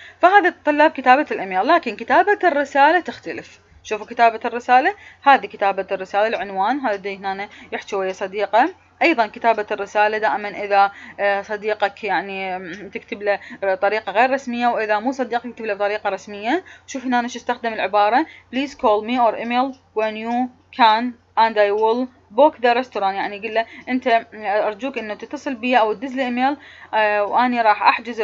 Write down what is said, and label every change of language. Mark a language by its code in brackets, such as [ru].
[ar] فهذا الطلاب كتابة الإيميل، لكن كتابة الرسالة تختلف. شوفوا كتابة الرسالة، هذه كتابة الرسالة العنوان، هذه هنا يحكي ويا صديقة. ايضا كتابة الرسالة دائما اذا صديقك يعني تكتب له بطريقة غير رسمية، واذا مو صديقك تكتب له بطريقة رسمية. شوف هنا شو استخدم العبارة [en] please call me or email when you can and I will book the restaurant, [ar] يعني قل له انت ارجوك انه تتصل بي او تدز لي ايميل واني راح احجز الرستوران.